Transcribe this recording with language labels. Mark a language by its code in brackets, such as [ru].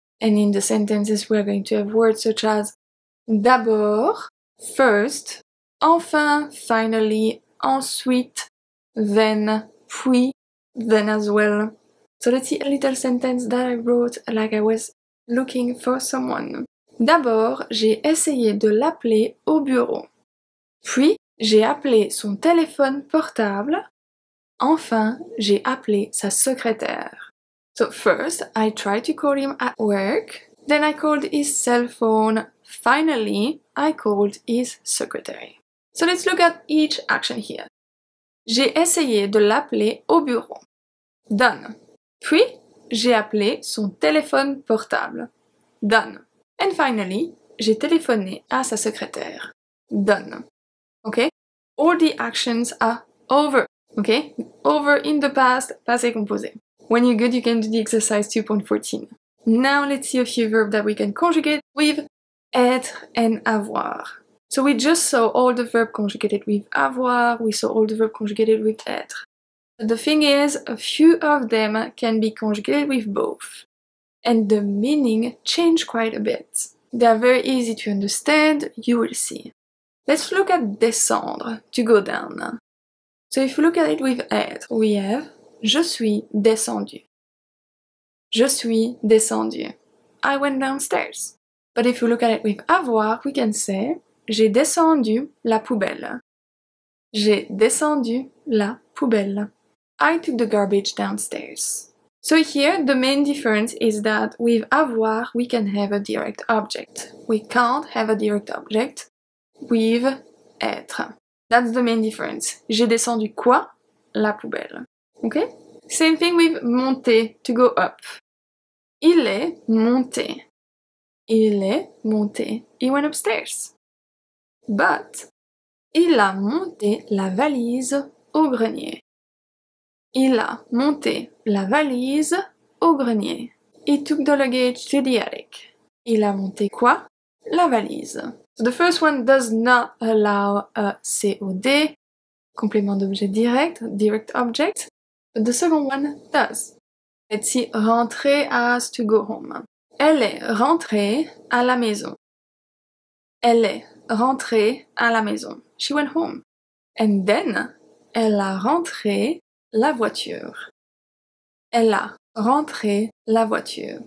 [en] And in the sentences, we're going to have words such as d'abord, first, enfin, finally, ensuite, then, puis, then as well. So let's see a little sentence that I wrote like I was looking for someone. [fr] D'abord, j'ai essayé de l'appeler au bureau. Puis, j'ai appelé son téléphone portable. Enfin, j'ai appelé sa secrétaire. [en] So first, I tried to call him at work. Then I called his cell phone. Finally, I called his secretary. So let's look at each action here. [fr] J'ai essayé de l'appeler au bureau. Done. Puis, j'ai appelé son téléphone portable. Done. [en] And finally, [fr] j'ai téléphoné à sa secrétaire. [en] Done. Okay? All the actions are over. Okay? Over in the past, passé composé. When you're good, you can do the exercise 2.14. Now, let's see a few verbs that we can conjugate with être and avoir. So we just saw all the verbs conjugated with avoir, we saw all the verbs conjugated with être. But the thing is, a few of them can be conjugated with both. And the meaning change quite a bit. They are very easy to understand, you will see. Let's look at descendre, to go down. So if you look at it with être, we have [fr] je suis descendu. Je suis descendu. [en] I went downstairs. But if you look at it with avoir, we can say [fr] j'ai descendu la poubelle. J'ai descendu la poubelle. [en] I took the garbage downstairs. So here, the main difference is that with avoir, we can have a direct object. We can't have a direct object with être. That's the main difference. [fr] J'ai descendu quoi? La poubelle. [en] Okay? Same thing with monter, to go up. [fr] Il est monté. Il est monté. [en] He went upstairs. [fr] But, il a monté la valise au grenier. Il a monté la valise au grenier. [en] He took the luggage to the attic. [fr] Il a monté quoi? La valise. [en] So the first one does not allow a COD, complément d'objet direct, direct object. But the second one does. Let's see, rentrer as to go home. [fr] Elle est rentrée à la maison. Elle est rentrée à la maison. [en] She went home. And then, [fr] elle a rentré la voiture. Elle a rentré la voiture.